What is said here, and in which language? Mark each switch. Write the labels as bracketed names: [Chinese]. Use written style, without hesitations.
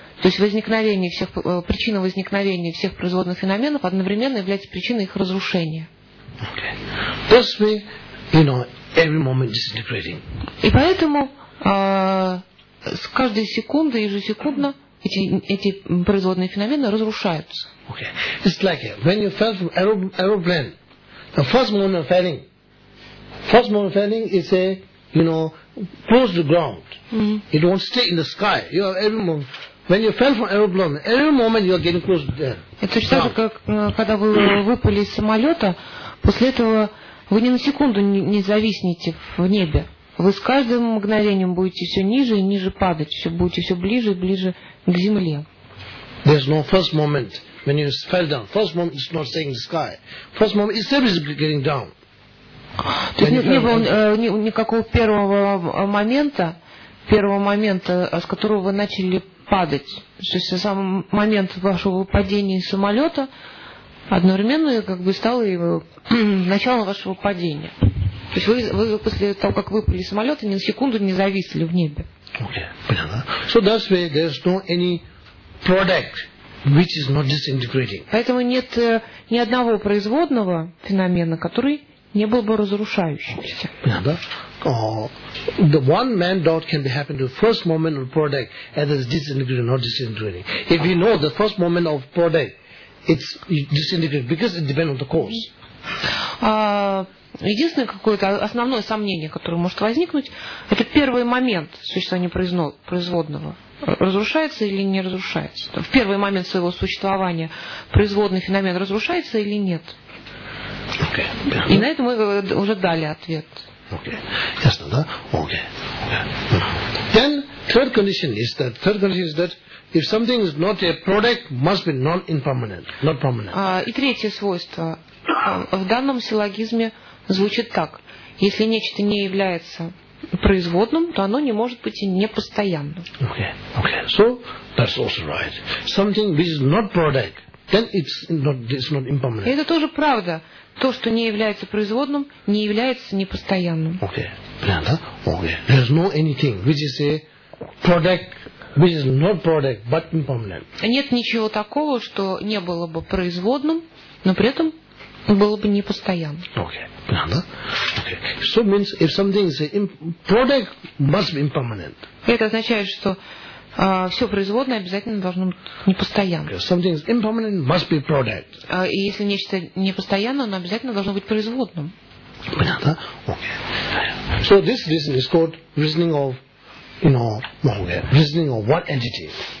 [Russian] То есть возникновение всех, причина возникновения всех производных феноменов одновременно является причиной их разрушения. [English] Okay. That's me, you know, every moment disintegrating. [Russian] И поэтому с каждой секунды, ежесекундно, эти производные феномены разрушаются. [English] Okay. It's like when you fell from aeroplane, the first moment of falling is a, you know, close to ground. Mm-hmm. It won't stay in the sky. You are every moment. When you fell from aeroplane, every moment you are getting close to there. [Russian] Это точно так же, как когда вы выпали из самолета, после этого вы ни на секунду не зависнете в небе. Вы с каждым мгновением будете все ниже и ниже падать, все будете все ближе и ближе к земле. [English] There's no first moment when you fell down. First moment is not staying in the sky. First moment is always getting down. [Russian] То есть не было никакого первого момента, с которого вы начали падать. То есть сам момент вашего падения из самолета одновременно как бы стал началом вашего падения. То есть вы после того, как выпали из самолета, ни на секунду не зависли в небе. [English] Okay, понятно. So [Russian] поэтому нет ни одного производного феномена, который не был бы разрушающимся. Понятно. [English] The one man doubt can be happen to the first moment of product and it's disintegrating, not disintegrating. If you know the first moment of product, it's disintegrating because it depends on the cause. [Russian] Единственное какое-то основное сомнение, которое может возникнуть, это первый момент существования производного. Разрушается или не разрушается? В первый момент своего существования производный феномен разрушается или нет? [English] Okay. [Russian] И на это мы уже дали ответ. Okay. Ясно, да? Okay. [English] Then third condition is that if something is not a product, must be non-impermanent, not permanent. [Russian] И третье свойство в данном силлогизме звучит так: если нечто не является производным, то оно не может быть и непостоянным. [English] Okay. So that's also right. Something which is not product, then it's not impermanent. [Russian] И это тоже правда. То, что не является производным, не является непостоянным. Okay. Понятно? Okay. [English] There's no anything which is a product, which is not product, but impermanent. [Russian] Нет ничего такого, что не было бы производным, но при этом было бы непостоянным. [English] Okay. Понятно? Okay. So means if something is a product, must be impermanent. [Russian] Это означает, что все производное обязательно должно быть непостоянным. [English] Something is impermanent, must be product. [Russian] И если нечто непостоянное, оно обязательно должно быть производным. Понятно? Okay. [English] So this reason is called reasoning of, you know, okay, reasoning of one entity.